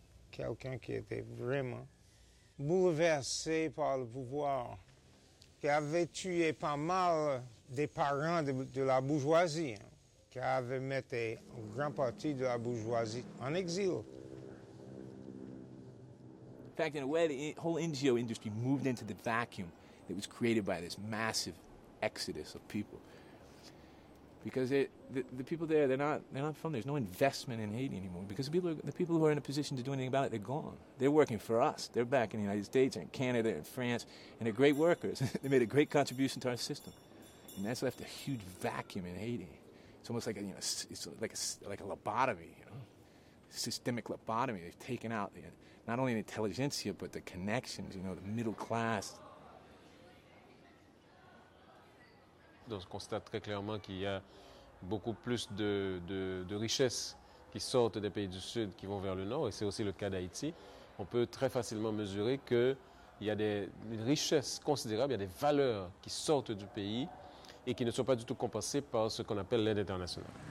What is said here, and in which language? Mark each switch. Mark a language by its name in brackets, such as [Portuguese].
[French] Quelqu'un qui était vraiment bouleversé par le pouvoir, qui avait tué pas mal des parents de la bourgeoisie, qui avait mis une grande partie de la bourgeoisie en exil. [English] In fact, in a way, the whole NGO industry moved into the vacuum. It was created by this massive exodus of people. Because the people there, they're not from there. There's no investment in Haiti anymore. Because the people who are in a position to do anything about it, they're gone. They're working for us. They're back in the United States, and Canada, and France, and they're great workers. They made a great contribution to our system. And that's left a huge vacuum in Haiti. It's almost like a lobotomy, you know? Systemic lobotomy. They've taken out not only the intelligentsia, but the connections, you know, the middle class. [French] On constate très clairement qu'il y a beaucoup plus de richesses qui sortent des pays du Sud qui vont vers le Nord, et c'est aussi le cas d'Haïti. On peut très facilement mesurer qu'il y a une richesse considérable, il y a des valeurs qui sortent du pays et qui ne sont pas du tout compensées par ce qu'on appelle l'aide internationale.